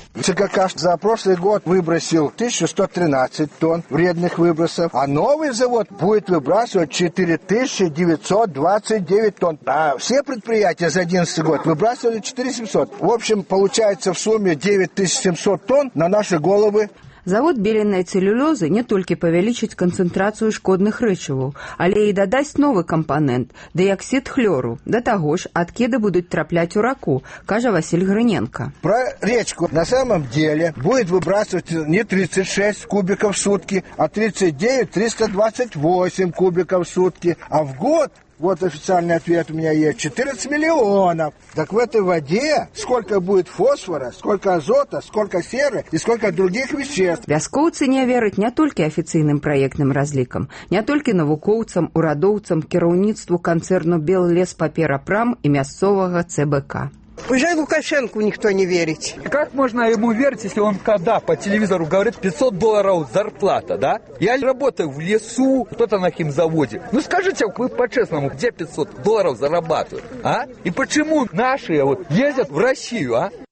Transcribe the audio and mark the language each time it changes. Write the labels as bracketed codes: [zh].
[ru] ЦКК за прошлый год выбросил 1113 тонн вредных выбросов, а новый завод будет выбрасывать 4929 тонн. А все предприятия за 2011 год выбрасывали 4700. В общем, получается в сумме 9700 тонн на наши головы. [be] Завод беленай целлюлозы не толькі павялічыць канцэнтрацыю шкодных рэчываў, але і дадасць новы кампанент – дыяксід хлёру. Да таго ж, адкіды будуць трапляць у раку, кажа Васіль Грыненка. Пра рэчку [ru] на самом деле будет выбрасывать не 36 кубиков в сутки, а 39-328 кубиков в сутки, а в год... Вот официальный ответ у меня есть. 14 миллионов. Так в этой воде сколько будет фосфора, сколько азота, сколько серы и сколько других веществ. [be] Вяскоўцы не верыць не толькі афіцыйным праектным разлікам, не толькі навукоўцам, урадоўцам, кіраўніцтву канцэрну «Беллеспаперапрам» і мясцовага ЦБК. [ru] Уже Лукашенку никто не верит. Как можно ему верить, если он когда по телевизору говорит $500 зарплата, да? Я работаю в лесу, кто-то на химзаводе. Ну скажите, вы по-честному, где $500 зарабатывают, а? И почему наши вот ездят в Россию, а?